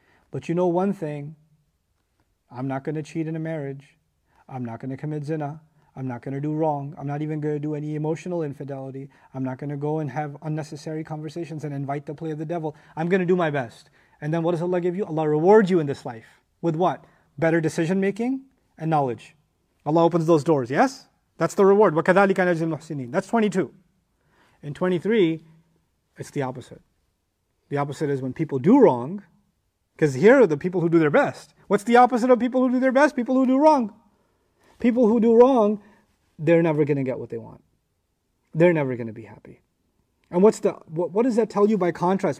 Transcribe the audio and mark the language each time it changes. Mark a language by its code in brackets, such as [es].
[en] But you know one thing, I'm not going to cheat in a marriage, I'm not going to commit zina, I'm not going to do wrong, I'm not even going to do any emotional infidelity, I'm not going to go and have unnecessary conversations and invite the play of the devil, I'm going to do my best. And then what does Allah give you? Allah rewards you in this life. With what? Better decision making and knowledge. Allah opens those doors, yes? That's the reward. [ar] وَكَذَلِكَ نَجْزِ الْمُحْسِنِينَ [en] That's 22. In 23, it's the opposite. The opposite is when people do wrong, because here are the people who do their best. What's the opposite of people who do their best? People who do wrong. People who do wrong, they're never going to get what they want. They're never going to be happy. And what does that tell you by contrast?